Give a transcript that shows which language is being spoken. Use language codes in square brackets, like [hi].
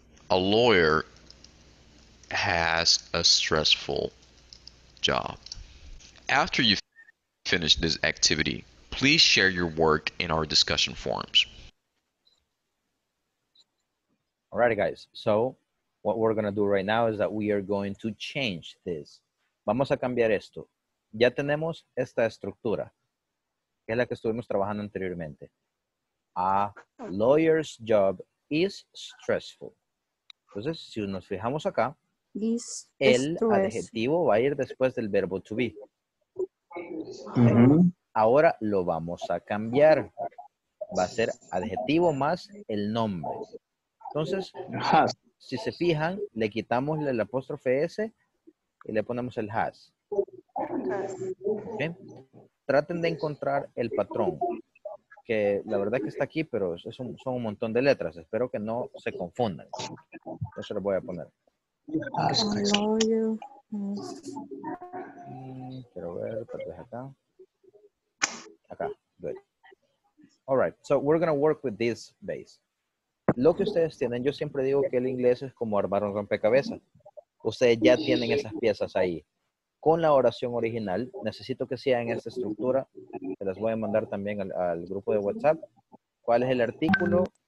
[en] A lawyer has a stressful job. After you finish this activity, please share your work in our discussion forums. Alrighty, guys. So what we're going to do right now is that we are going to change this. [es] Vamos a cambiar esto. Ya tenemos esta estructura, que es la que estuvimos trabajando anteriormente. [en] A lawyer's job is stressful. [es] Entonces, si nos fijamos acá, el adjetivo va a ir después del verbo to be. Ahora lo vamos a cambiar. Va a ser adjetivo más el nombre. Entonces, si se fijan, le quitamos el apóstrofe S y le ponemos el has. [en] Okay. [es] Traten de encontrar el patrón, que la verdad es que está aquí, pero son un montón de letras. Espero que no se confundan. Eso lo voy a poner. Quiero ver, tal vez acá. Acá, good. [en] All right, so we're going to work with this base. [es] Lo que ustedes tienen, yo siempre digo que el inglés es como armar un rompecabezas. Ustedes ya tienen esas piezas ahí. Con la oración original, necesito que sea en esta estructura. Se las voy a mandar también al grupo de WhatsApp. ¿Cuál es el artículo?